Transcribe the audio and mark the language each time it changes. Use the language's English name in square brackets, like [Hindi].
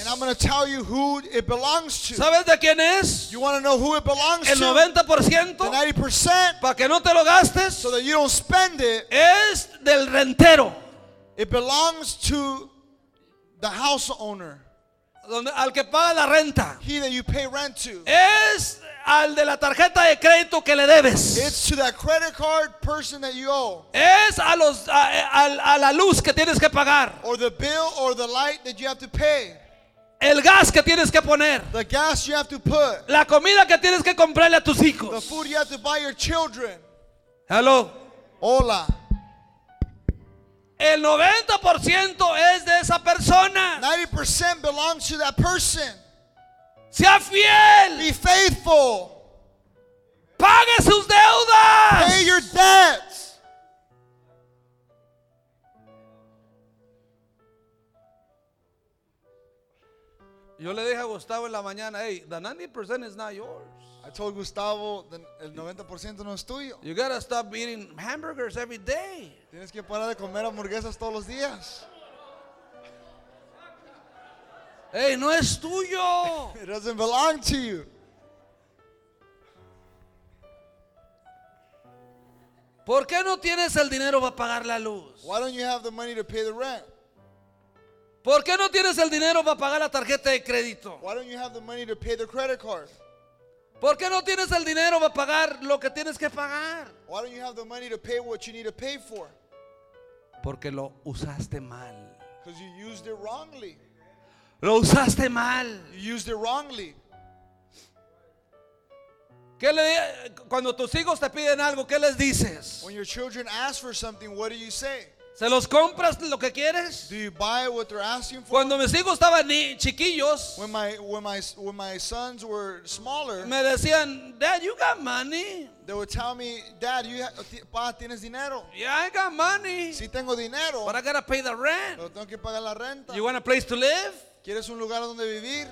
[English] And I'm going to tell you who it belongs to. [Spanish] ¿Sabes de quién es? [English] You want to know who it belongs to? [Spanish] El 90%. [English] The 90%. [Spanish] Para que no te lo gastes. [English] So that you don't spend it. [Spanish] Es del rentero. [English] It belongs to the house owner. [Spanish] Donde, al que paga la renta. [English] He that you pay rent to. [Spanish] Es al de la tarjeta de crédito que le debes. [English] It's to that credit card person that you owe. [Spanish] Es a los a la luz que tienes que pagar. [English] Or the bill or the light that you have to pay. [Spanish] El gas que tienes que poner. [English] The gas you have to put. [Spanish] La comida que tienes que comprarle a tus hijos. [English] The food you have to buy your children. Hello. [Spanish] Hola. El 90% es de esa persona. [English] 90% belongs to that person. [Spanish] Sea fiel. [English] Be faithful. [Spanish] Pague sus deudas. [English] Pay your debts. [Spanish] Yo le dije a Gustavo en la mañana, [English] hey, the 90% is not yours. I told Gustavo, [Spanish] el 90% no es tuyo. [English] You gotta stop eating hamburgers every day. [Spanish] Tienes que parar de comer hamburguesas todos los días. Hey, no es tuyo. [English] It doesn't belong to you. [Spanish] ¿Por qué no tienes el dinero para pagar la luz? [English] Why don't you have the money to pay the rent? [Spanish] ¿Por qué no tienes el dinero para pagar la tarjeta de crédito? [English] Why don't you have the money to pay the credit card? [Spanish] ¿Por qué no tienes el dinero para pagar lo que tienes que pagar? [English] Why don't you have the money to pay what you need to pay for? [Spanish] Porque lo usaste mal. [English] Because you used it wrongly. [Spanish] Lo usaste mal. [English] You used it wrongly. [Spanish] ¿Qué le, cuando tus hijos te piden algo, ¿qué les dices? [English] When your children ask for something, what do you say? [Spanish] ¿Se los compras lo que quieres? [English] Do you buy what they're asking for? [Spanish] Cuando mis hijos estaban chiquillos, [English] when my sons were smaller, [Spanish] me decían, [English] Dad, you got money. They would tell me, Dad, you pa, [Spanish] tienes dinero. [English] Yeah, I got money. [Spanish] Sí, tengo dinero. [English] But I gotta pay the rent. [Spanish] Pero tengo que pagar la renta. [English] You want a place to live? [Spanish] ¿Quieres un lugar donde vivir?